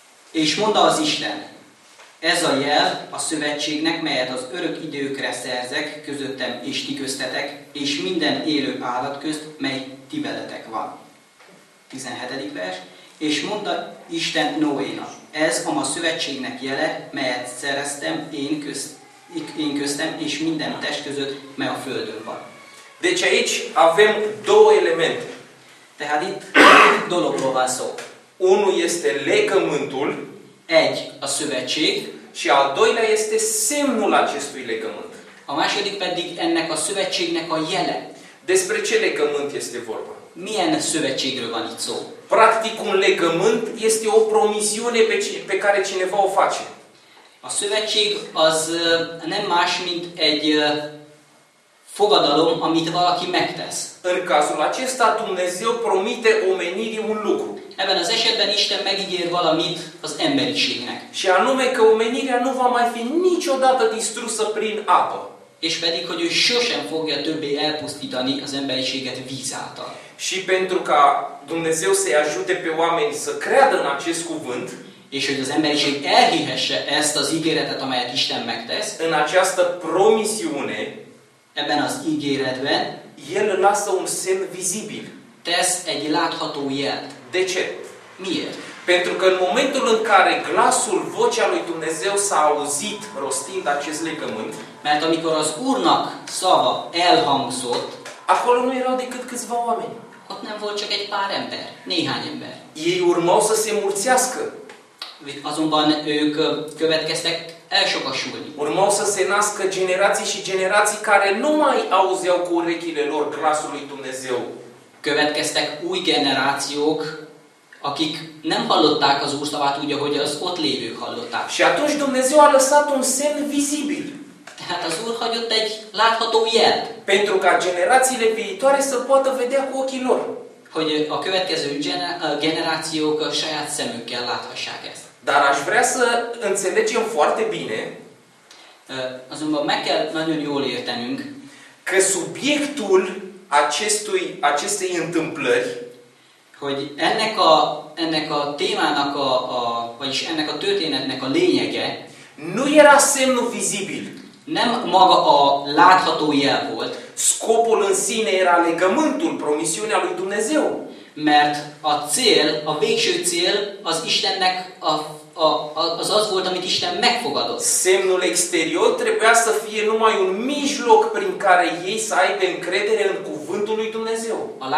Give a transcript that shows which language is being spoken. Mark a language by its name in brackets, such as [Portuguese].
[Hungarian] És mondta az Isten, ez a jel a szövetségnek, melyet az örök időkre szerzek közöttem és ti köztetek, és minden élő állat közt, mely ti veletek van. 17. vers. És mondta Isten Noénak, ez a ma szövetségnek jele, melyet szereztem én köztem és minden test között, mely a Földön van. [Romanian] Deci aici avem două elemente. [Hungarian] Tehát itt dologról van szó. [Romanian] Unul este legământul. [Hungarian] Egy, a szövetség. [Romanian] Și al doilea este semnul acestui legământ. [Hungarian] A második pedig ennek a szövetségnek a jele. [Romanian] Despre ce legământ este vorba? [Hungarian] Milyen szövetségről van itt szó? [Romanian] Practic, un legământ este o promisiune pe care cineva o face. [Hungarian] A szövetség az nem más, mint egy fogadalom, amit valaki megtesz. [Romanian] În cazul acesta, Dumnezeu promite omenirii un lucru. [Hungarian] Ebben az esetben Isten megígér valamit az emberiségnek. [Romanian] Și anume că omenirea nu va mai fi niciodată distrusă prin apă. [Hungarian] És pedig, hogy ő sosem fogja többé elpusztítani az emberiséget víz által. [Romanian] Și pentru ca Dumnezeu să-i ajute pe oameni să creadă în acest cuvânt, [Hungarian] és hogy az emberiség elhihesse ezt az ígéretet, amelyet Isten megtesz, [Romanian] în această promisiune, [Hungarian] ebben az ígéretben, [Romanian] el lasă un semn vizibil, [Hungarian] tesz egy látható jelt. [Romanian] De ce? [Hungarian] Miért? [Romanian] Pentru că în momentul în care glasul, vocea lui Dumnezeu s-a auzit rostind acest legământ, [Hungarian] mert amikor az Úrnak szava elhangzott, [Romanian] acolo nu erau decât câțiva oameni. [Hungarian] Ott nem volt csak egy pár ember, néhány ember. [Romanian] Ei urmau să se mulțească. [Hungarian] Azonban ők következtek elsokasulni. [Romanian] Urmau să se nască generații și generații care nu mai auzeau cu urechile lor glasul lui Dumnezeu. [Hungarian] Következtek új generációk, akik nem hallották az Úr szavát úgy, ahogy az ott lévők hallották. [Romanian] Și atunci Dumnezeu a lăsat un semn vizibil. [Hungarian] Tehát az Úr hagyott egy látható jelt. [Romanian] Pentru ca generațiile viitoare să poată vedea cu ochii lor. [Hungarian] Hogy a következő generációk a saját szemükkel láthassák ezt. [Romanian] Dar aș vrea să înțelegem foarte bine, [Hungarian] azonban meg kell nagyon jól értenünk, [Romanian] că subiectul acestei întâmplări, [Hungarian] hogy ennek a témának vagyis ennek a történetnek a lényege, [Romanian] nu era semnul vizibil. [Hungarian] Nem maga a látható jel volt. [Romanian] Scopul în sine era legământul, promisiunea lui Dumnezeu. [Hungarian] Mert a cél, a végső cél az Istennek az volt, amit Isten megfogadott. [Romanian] Semnul exterior trebuia să fie numai un mijloc prin care ei să aibă încredere în cuvântul lui Dumnezeu.